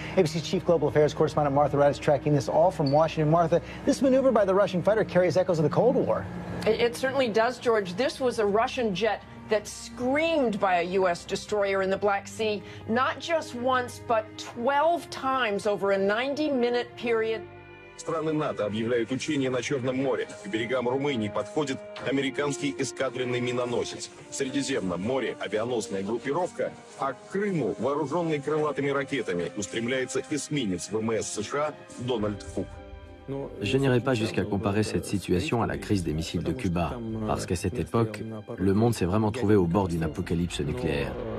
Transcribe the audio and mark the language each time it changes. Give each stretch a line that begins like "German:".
English: ABC's Chief Global Affairs correspondent Martha Raddatz tracking this all from Washington. Martha, this maneuver by the Russian fighter carries echoes of the Cold War. It certainly does, George. This was a Russian jet that screamed by a U.S. destroyer in the Black Sea, not just once, but 12 times over a 90-minute period.
Russian: Страны НАТО объявляют учения на Черном море. К берегам Румынии подходит американский эскадренный миноносец. В Средиземном море авианосная группировка, а к Крыму, вооруженный крылатыми ракетами, устремляется эсминец ВМС США Дональд Кук.
French: Je n'irai pas jusqu'à comparer cette situation à la crise des missiles de Cuba, parce qu'à cette époque, le monde s'est vraiment trouvé au bord d'une apocalypse nucléaire.